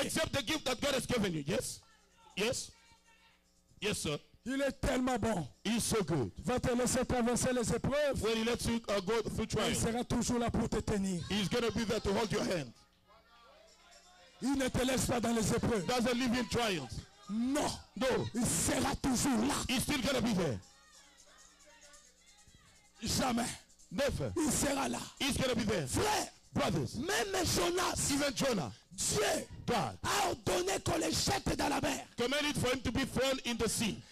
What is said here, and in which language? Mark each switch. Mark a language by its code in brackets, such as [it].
[en] Accept the gift that God has given you. Yes. Yes. Yes, sir. [fr] Il est tellement bon. [en] He's so good. [fr] Va te laisser traverser les épreuves. [en] When he lets you go through trials. [fr] Il sera toujours là pour te tenir. [en] He's going to be there to hold your hand. [fr] Il ne te laisse pas dans les épreuves. [en] Doesn't leave you in trials. [fr] Non. [en] No. [fr] Il sera toujours là. [en] He's still going to be there. [fr] Jamais. [en] Never. [fr] Il sera là. [en] He's going to be there. [fr] Frère. [en] Brothers. [fr] Même Jonas. [en] Even Jonah. [fr] Dieu. [en] God. [fr] A ordonné qu'on les jette dans la mer. [en] Commanded for him to be thrown in the sea.